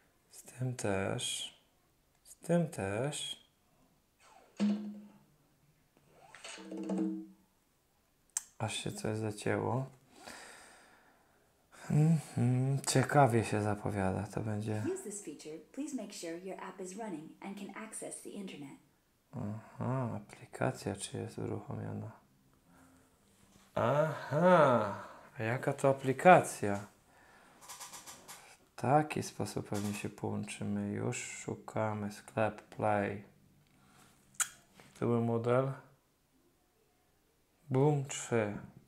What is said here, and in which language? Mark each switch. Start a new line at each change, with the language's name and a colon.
Polish: Z tym też. Z tym też. Aż się coś zacięło. Ciekawie się zapowiada. To będzie.
English: Use this feature. Please make sure your app is running and can access the internet.
Polish: Aha, aplikacja czy jest uruchomiona? Aha, jaka to aplikacja? W taki sposób pewnie się połączymy. Już szukamy sklep Play. To był model. Boom 3.